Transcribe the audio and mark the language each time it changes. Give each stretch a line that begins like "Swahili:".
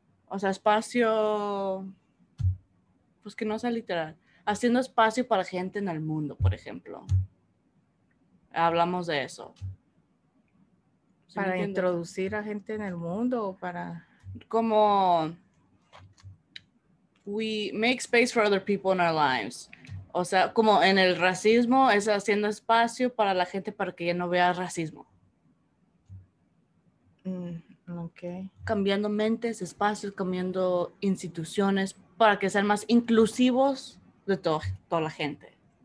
Spanish: O sea, espacio, pues que no sea literal. haciendo espacio para gente en el mundo, por ejemplo. Hablamos de eso. ¿Para introducir a gente en el mundo o para...? Como...
English: We make space for other people in our lives.
Spanish: O sea, como en el racismo, es haciendo espacio para la gente para que ya no vea racismo.
English: Okay.
Spanish: Cambiando mentes, espacios, cambiando instituciones para que sean más inclusivos de toda la gente.